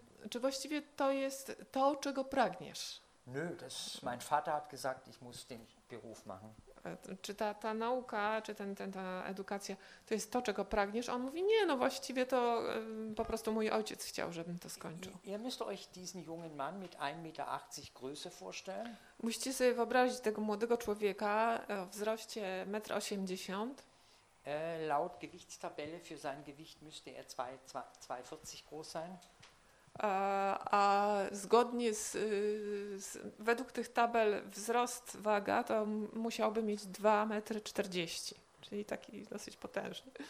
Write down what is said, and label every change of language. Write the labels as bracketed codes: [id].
[pl] Czy właściwie to jest to, czego pragniesz? [de] Nö, mein Vater hat gesagt, ich muss den Beruf machen. [pl] Czy ta nauka, czy ta edukacja, to jest to, czego pragniesz? On mówi, nie, no właściwie to po prostu mój ojciec chciał, żebym to skończył. [de] Ihr müsst euch diesen jungen Mann mit 1,80 m Größe vorstellen. [pl] Musicie sobie wyobrazić tego młodego człowieka o wzroście 1,80 m. [de] Laut Gewichtstabelle für sein Gewicht müsste er 2,40 groß sein. [pl] A zgodnie z według tych tabel wzrost waga to musiałby mieć 2,40 m, czyli taki dosyć potężny.